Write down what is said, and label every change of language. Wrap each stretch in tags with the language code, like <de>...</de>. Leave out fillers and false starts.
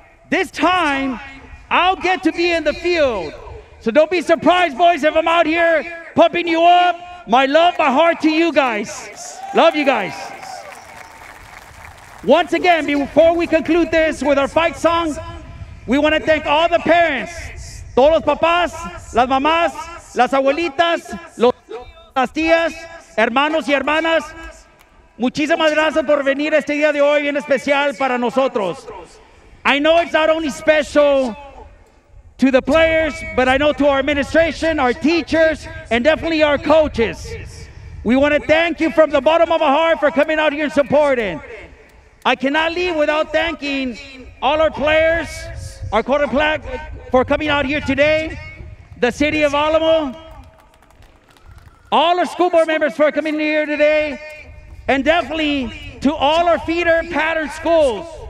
<en>This time, I'll get to be in the field. So don't be surprised, boys, if I'm out here pumping you up. My love, my heart to you guys. Love you guys. Once again, before we conclude this with our fight song, we want to thank all the parents,</en> <es>todos los papás, las mamás, las abuelitas, las tías, hermanos y hermanas, muchísimas gracias por venir este día de hoy, bien especial para nosotros.</es> <en>I know it's not only special to the players, but I know to our administration, our teachers, and definitely our coaches. We want to thank you from the bottom of our heart for coming out here and supporting. I cannot leave without thanking all our players, our quarterback, for coming out here today, the city of Alamo, all our school board members for coming here today, and definitely to all our feeder pattern schools.</en>